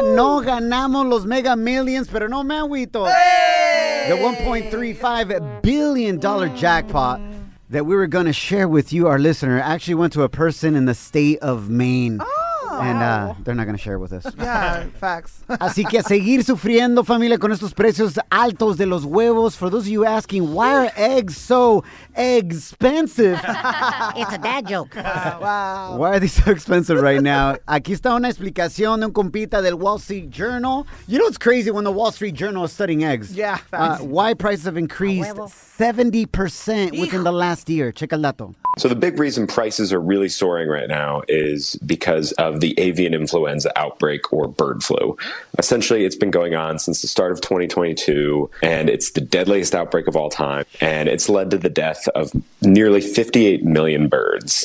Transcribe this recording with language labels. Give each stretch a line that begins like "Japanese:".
Spanish: No ganamos los Mega Millions, pero no me agüito.
English: The $1.35 billion jackpot that we were going to share with you, our listener, actually went to a person in the state of Maine. And they're not going to share it with us. Yeah, facts.
Spanish: Así que a seguir sufriendo, familia, con estos precios altos de los huevos.
English: For those of you asking, why are eggs so expensive? It's a dad joke. Wow. Why are they so expensive right now?
Spanish: Aquí está una explicación de un compita del Wall Street Journal.
English: You know what's crazy when the Wall Street Journal is studying eggs? Yeah, facts. Why prices have increased 70% within the last year. Check
Spanish: el dato.
English: So the big reason prices are really soaring right now is because of the avian influenza outbreak or bird flu. Essentially, it's been going on since the start of 2022, and it's the deadliest outbreak of all time, and it's led to the death of nearly 58 million birds.